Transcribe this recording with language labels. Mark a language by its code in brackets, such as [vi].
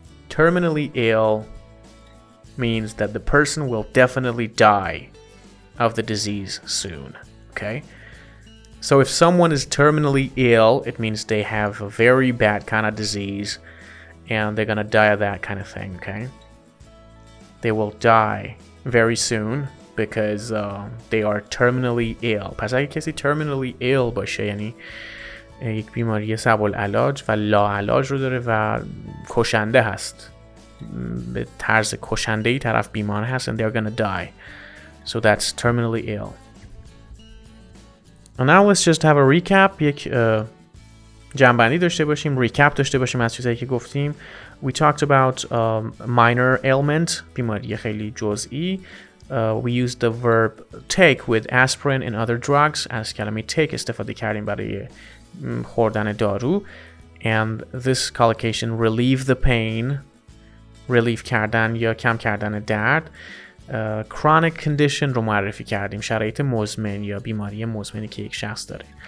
[en] Terminally ill means that the person will definitely die of the disease soon. Okay? So if someone is terminally ill, it means they have a very bad kind of disease and they're gonna die of that kind of thing. Okay? They will die very soon because they are terminally ill. [fa] پس اگه کسی terminally ill باشه یعنی یک بیماری سبوالعلاج و لاعلاج رو داره و کشنده هست به طرز کشنده ای طرف بیمار هست [en] and they are gonna die. So that's terminally ill. And now let's just have a recap. [fa] یک جنبندی داشته باشیم recap داشته باشیم از چیزایی که گفتیم. [en] We talked about minor ailment [fa] بیماری خیلی جزئی. [en] We used the verb take with aspirin and other drugs. [fa] از کلمه take استفاده کردیم برای خوردن دارو [en] and this collocation relieve the pain [fa] relieve کردن یا کم کردن درد chronic condition رو معرفی کردیم، شرایط مزمن یا بیماری مزمنی که یک شخص داره.